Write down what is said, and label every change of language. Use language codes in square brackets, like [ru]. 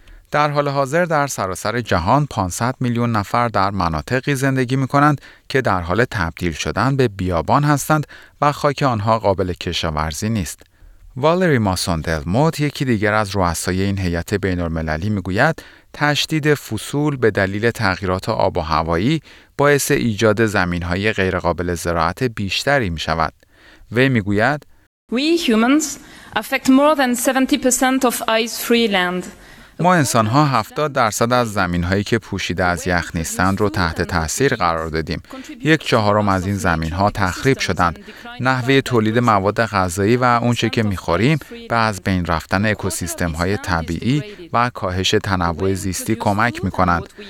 [fa] در حال حاضر در سراسر جهان 500 میلیون نفر در مناطقی زندگی می‌کنند که در حال تبدیل شدن به بیابان هستند و خاک آنها قابل کشاورزی نیست. والری ماسون دلموت یکی دیگر از رؤسای این هیئت بین‌المللی می‌گوید تشدید فصول به دلیل تغییرات آب و هوایی باعث ایجاد زمین‌های غیرقابل زراعت بیشتری می‌شود. وی می‌گوید [en] We humans affect more than 70% of ice-free land. [fa] ما انسان‌ها 70% از زمین‌هایی که پوشیده از یخ نیستند رو تحت تأثیر قرار دادیم. 1/4 از این زمین‌ها تخریب شدند. نحوه تولید مواد غذایی و اونچه که می‌خوریم به از بین رفتن اکوسیستم‌های طبیعی و کاهش تنوع زیستی کمک می‌کنند.